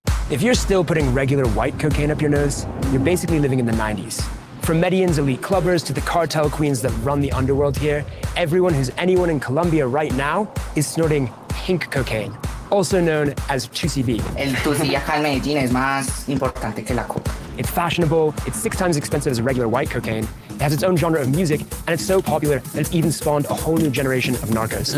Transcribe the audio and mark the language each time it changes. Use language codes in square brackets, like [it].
[en] If you're still putting regular white cocaine up your nose, you're basically living in the 90s. From Medellin's elite clubbers to the cartel queens that run the underworld here, everyone who's anyone in Colombia right now is snorting pink cocaine, also known as 2CB. [es] El 2CB acá en Medellín es más importante que la coca. [en] It's fashionable, it's six times as expensive as regular white cocaine, it has its own genre of music, and it's so popular that it's even spawned a whole new generation of narcos.